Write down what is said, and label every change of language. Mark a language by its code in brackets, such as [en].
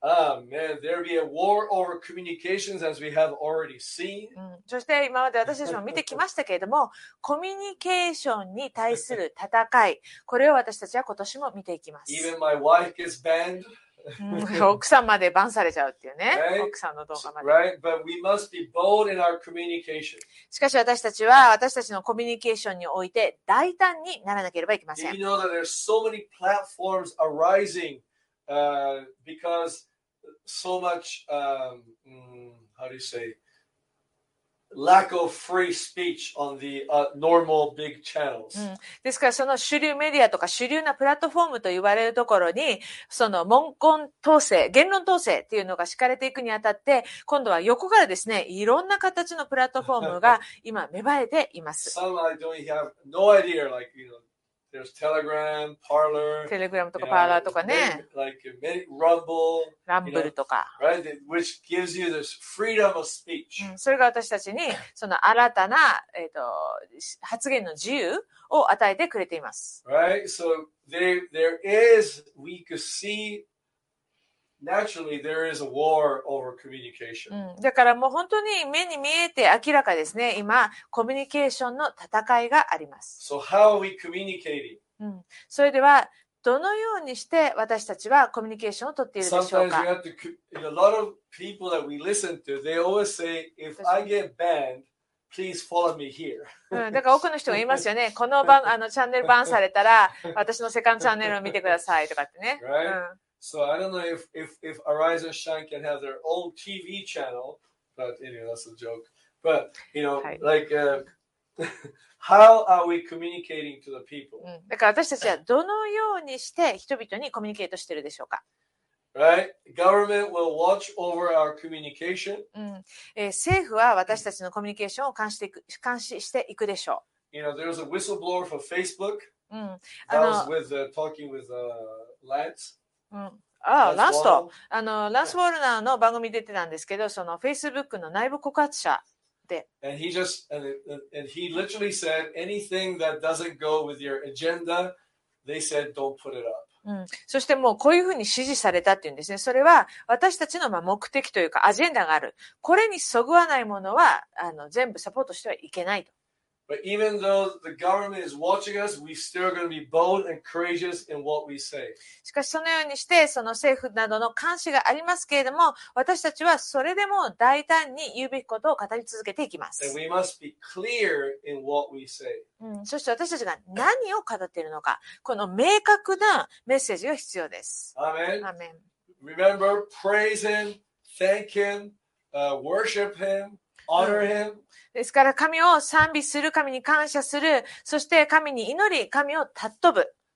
[en] Amen. There be a war over communications as we have already seen. [ja] そして今まで私たちも見てきましたけれども、コミュニケーションに対する戦い、これを私たちは今年も見ていきます。 [en] Even my wife gets banned. [ja] 奥さんまでバンされちゃうっていうね。 [en] Right? [ja] 奥さんの動画まで。 [en] Right? But we must be bold in our communication. [ja] しかし私たちは私たちのコミュニケーションにおいて大胆にならなければいけません。 [en] You know that there's so many platforms arising, because so much, how do you say, lack of free speech on the, normal big channels. [ja] ですからその主流メディアとか主流なプラットフォームと言われるところにその文言統制、言論統制っていうのが敷かれていくにあたって今度は横からですね、いろんな形のプラットフォームが今芽生えています。 [en] Some I don't have no idea, like, you know, there's Telegram, Parler, [ja] Telegram とか Parler とかね、 [en] like Rumble, [ja] Rumble とか、 [en] right? Which gives you this freedom of speech. [ja] それが私たちにその新たな発言の自由を与えてくれています。 [en] Right? So there is, we could see naturally there is a war over communication. [ja] だからもう本当に目に見えて明らかですね。今コミュニケーションの戦いがあります。 [en] So how are we communicating? [ja] それではどのようにして私たちはコミュニケーションを取っているでしょうか。 [en] Sometimes we have to, a lot of people that we listen to, they always say, if I get banned, Please follow me here. [ja] だから多くの人が言いますよね。この番、あのチャンネルバンされたら、私のセカンドチャンネルを見てくださいとかってね。 [en] Right?、うん、so I don't know if Arise and Shine can have their own TV channel, but anyway, that's a joke. But, you know,、はい、like,、how are we communicating to the people?、 [ja] うん、だから私たちはどのようにして人々にコミュニケートしてるでしょうか。 [en] Right? Government will watch over our communication. [ja] 政府は私たちのコミュニケーションを監視していく、監視していくでしょう。 [en] You know, there was a whistleblower for Facebook. That was with, talking with, Lance. ランス・ウォルナーの番組出てたんですけど、その Facebook の内部告発者で。 And he literally said anything that doesn't go with your agenda, they said don't put it up. [ja] うん、そしてもうこういうふうに指示されたっていうんですね。それは私たちのまあ目的というかアジェンダがある。これにそぐわないものはあの全部サポートしてはいけないと。 [en] But even though the government is watching us, we still are going to be bold and courageous in what we say. [ja] しかしそのようにしてその政府などの監視がありますけれども、私たちはそれでも大胆に言うべきことを語り続けていきます。 [en] And we must be clear in what we say. [ja] そして私たちが何を語っているのか、この明確なメッセージが必要です。 [en] Amen. Amen. Remember, praise him, thank him, worship him, honor him. [ja] ですから神を賛美する、神に感謝する、そして神に祈り、神を尊ぶ。